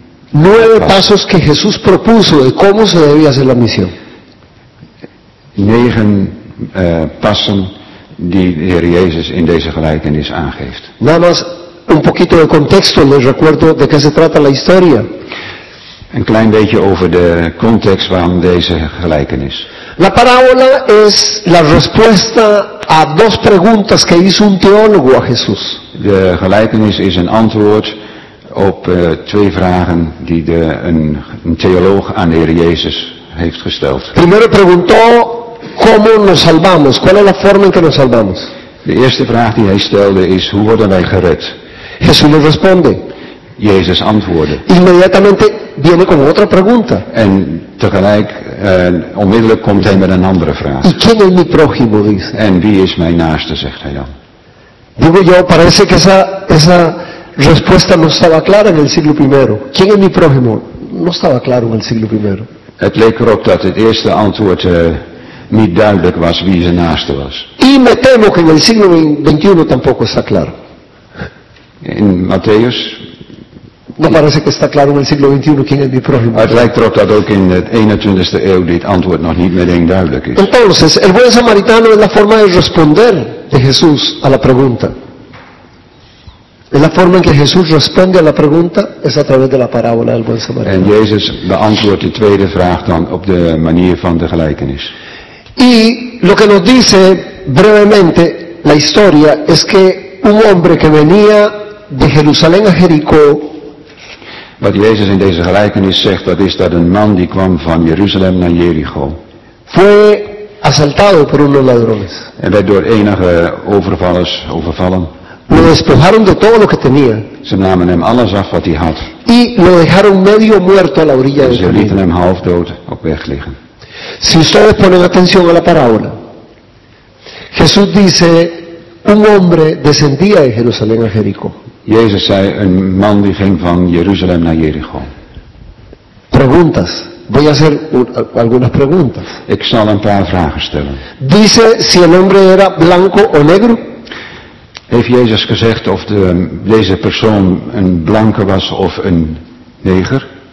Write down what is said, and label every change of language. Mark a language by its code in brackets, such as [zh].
[es] Nueve pasos que Jesús propuso de cómo se debía hacer la misión. [nl] Negen passen die de Heer Jezus in deze gelijkenis aangeeft. Namas. [es] Un poquito de contexto, les recuerdo de qué se trata la historia. [nl] Een klein beetje over de context van deze gelijkenis. [es] La parábola es la respuesta a dos preguntas que hizo un teólogo a Jesús. [nl] De gelijkenis is een antwoord op twee vragen die een theoloog aan de Heer Jezus heeft gesteld. [es] Primero preguntó cómo nos salvamos, cuál es la forma en que nos salvamos. [nl] De eerste vraag die hij stelde is hoe worden wij gered? [es] Jesús le responde. [nl] Jezus antwoordde. [es] Inmediatamente viene con otra pregunta. [nl] En tegelijk, onmiddellijk komt hij met een andere vraag. [es] ¿Y quién es mi prójimo? [nl] En wie is mijn naaste, zegt hij dan. [es] Digo yo, parece que esa respuesta no estaba clara en el siglo primero. ¿Quién es mi prójimo? No estaba claro en el siglo primero. [nl] Het leek erop dat het eerste antwoord niet duidelijk was wie zijn naaste was. [es] Y me temo que en el siglo XXI tampoco está claro. In Matthäus. No parece que está claro en el siglo XXI quién es mi prójimo. [nl] Het lijkt erop dat ook in de 21ste eeuw dit antwoord nog niet meteen duidelijk is. [es] Entonces, el buen samaritano es la forma de responder de Jesús a la pregunta. En la forma en que Jesús responde a la pregunta es a través de la parábola del buen samaritano. [nl] En Jezus beantwoordt de tweede vraag dan op de manier van de gelijkenis. [es] Y lo que nos dice brevemente la historia es que un hombre que venía de Jerusalén a Jericó. [nl] Wat Jezus in deze gelijkenis zegt, dat is dat een man die kwam van Jeruzalem naar Jericho. [es] Fue asaltado por unos ladrones. [nl] En werd door enige overvallers overvallen. [es] Lo despojaron de todo lo que tenía. [nl] Ze namen hem alles af wat hij had. [es] Y lo dejaron medio muerto a la orilla del camino. [nl] Ze lieten hem half dood op weg liggen. [es] Si ustedes ponen atención a la parábola, Jesús dice, un hombre descendía de Jerusalén a Jericó. [nl] Jezus zei, een man die ging van Jeruzalem naar Jericho. [es] Preguntas. Voy a hacer algunas preguntas. [nl] Ik zal een paar vragen stellen. [es] Dice si el hombre era blanco o negro. [nl] Heeft Jezus gezegd of deze persoon een blanke was of een neger?